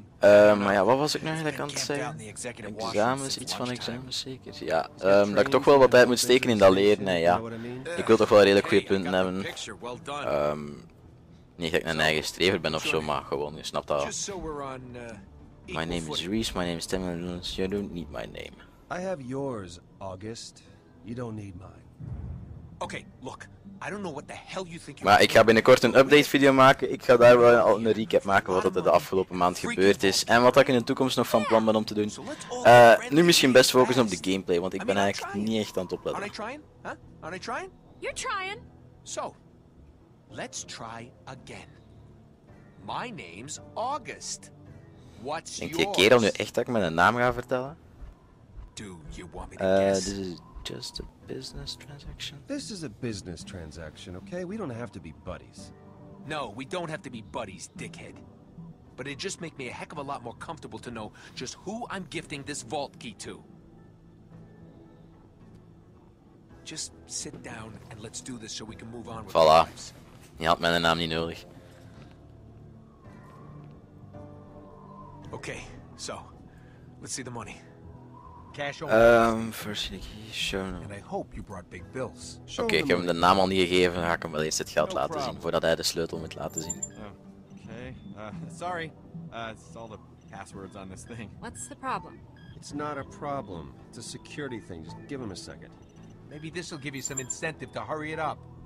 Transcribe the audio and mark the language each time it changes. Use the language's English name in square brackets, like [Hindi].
[Dutch] Maar ja, wat was ik nou eigenlijk aan het zeggen? Examens, iets van examens zeker? Ja, dat ik toch wel wat tijd moet steken in dat leren, nee, ja. Ik wil toch wel redelijk goede punten hebben. Niet dat ik een eigen strever ben of zo, maar gewoon, je snapt dat. [English] My name is Reese, my name is Timmy, you don't need my name. I have yours, August. You don't need mine. Okay, look, I don't know what the hell you think. [Dutch] Maar ik ga binnenkort een update video maken. Ik ga daar wel al een recap maken wat er de afgelopen maand gebeurd is. En wat ik in de toekomst nog van plan ben om te doen. Nu misschien best focussen op de gameplay, want ik ben eigenlijk niet echt aan het opletten. [English] Aren't I trying? Huh? Aren't I trying? You're trying. So. Let's try again. My name's August. What's yours? [Dutch] Denk je kerel nu echt dat ik mijn naam ga vertellen? [English] Do you want me to guess? This is just a business transaction. This is a business transaction, okay? We don't have to be buddies. No, we don't have to be buddies, dickhead. But it just make me a heck of a lot more comfortable to know just who I'm gifting this vault key to. Just sit down and let's do this so we can move on with voilà. Our lives. [Dutch] Je had mijn naam niet nodig. [English] Okay, so let's see the money. Cash only. First thing he showed. And I hope you brought big bills. [Dutch] Okay, ik heb hem de naam al niet gegeven. Dan ga ik hem wel eerst het geld laten zien voordat hij de sleutel moet laten zien. [English] Okay. Sorry. It's all the passwords on this thing. What's the problem? It's not a problem. It's a security thing. Just give him a second. Maybe this will give you some incentive to hurry it up.